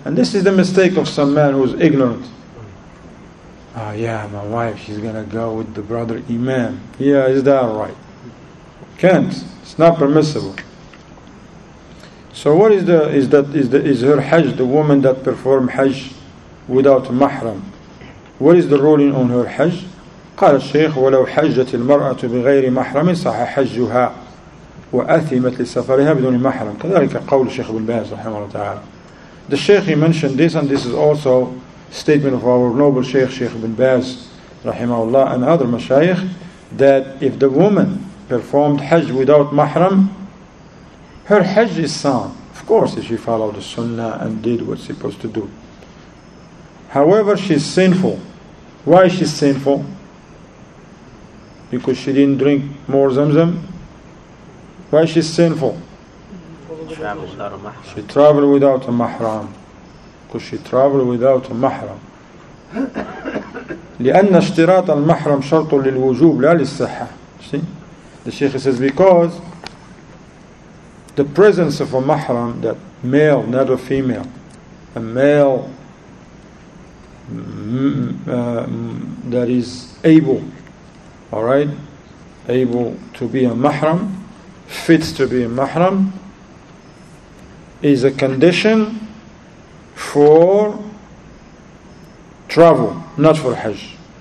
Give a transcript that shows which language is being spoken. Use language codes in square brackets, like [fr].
[en] And this is the mistake of some man who's ignorant. Oh yeah, my wife, she's going to go with the brother Imam. Yeah, is that right? Can't. It's not permissible. So what is the, is that, is the, is her Hajj, the woman that perform Hajj without mahram, what is the ruling on her Hajj? [ar] قال الشيخ ولو حجت المرأة بغير محرم صح حجها وأثمت لسفرها بدون محرم. كذلك قول الشيخ بن باز رحمه الله تعالى. [en] The Sheikh, he mentioned this, and this is also statement of our noble Sheikh, Sheikh bin Baz رحمه الله, and other mashayikh, that if the woman performed Hajj without mahram, her Hajj is sound, of course, if she followed the Sunnah and did what's supposed to do. However, she's sinful. Why is she sinful? Because she didn't drink more zamzam. Why is she sinful? She traveled without a mahram. Because she traveled without a mahram. [ar] لأن اشتراط المحرم شرط للوجوب لا للصحة. [en] See, the Sheikh says because the presence of a mahram, that male, not a female, a male. That is able, all right, able to be a mahram, fits to be a mahram, is a condition for travel, not for Hajj.